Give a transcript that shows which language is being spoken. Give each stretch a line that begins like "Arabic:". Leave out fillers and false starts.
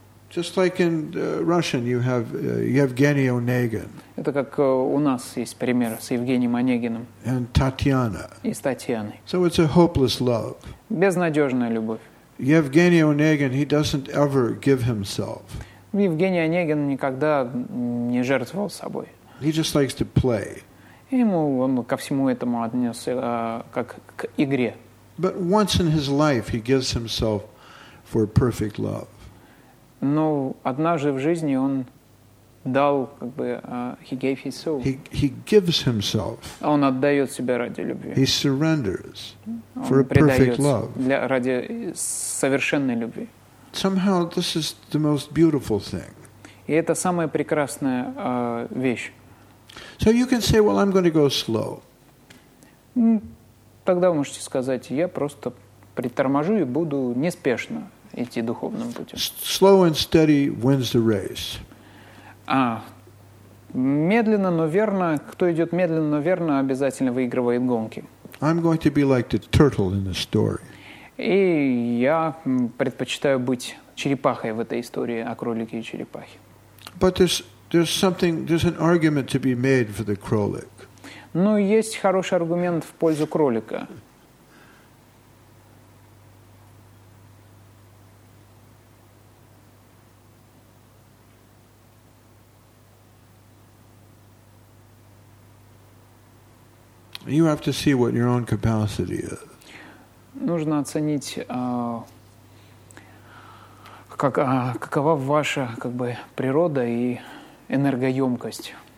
English: Just like in Russian, you have Yevgeny Onegin.
Russian: Это как у нас есть пример с Евгением Онегиным.
English: And Tatiana.
Russian: И с Татьяной.
English: So it's a hopeless love.
Russian: Безнадежная любовь.
English: Yevgeny Onegin, he doesn't ever give himself.
Russian: Евгений Онегин никогда не жертвовал собой.
English: He just likes to play.
Russian: Ему он ко всему этому отнесся как к игре.
English: But once in his life, he gives himself for perfect love.
Russian: Но однажды в жизни он дал, как бы,
English: he gave his soul. He gives himself.
Russian: Он отдает себя ради любви.
English: He surrenders for a perfect love.
Russian: Для, ради совершенной любви.
English: Somehow this is the most beautiful thing.
Russian: И это самая прекрасная вещь.
English: So you can say, well, I'm going to go slow.
Russian: Тогда вы можете сказать, я просто приторможу и буду неспешно. Идти духовным путем.
English: Slow and steady wins the race.
Russian: Медленно, но верно. Кто идет медленно, но верно, обязательно выигрывает гонки.
English: I'm going to be like the turtle in the story.
Russian: И я предпочитаю быть черепахой в этой истории о кролике и черепахе.
English: But there's an argument to be made for the кролик.
Russian: Но есть хороший аргумент в пользу кролика.
English: You have to see what your own capacity is.
Russian: Нужно оценить, как, какова ваша, как бы, природа и энергоемкость.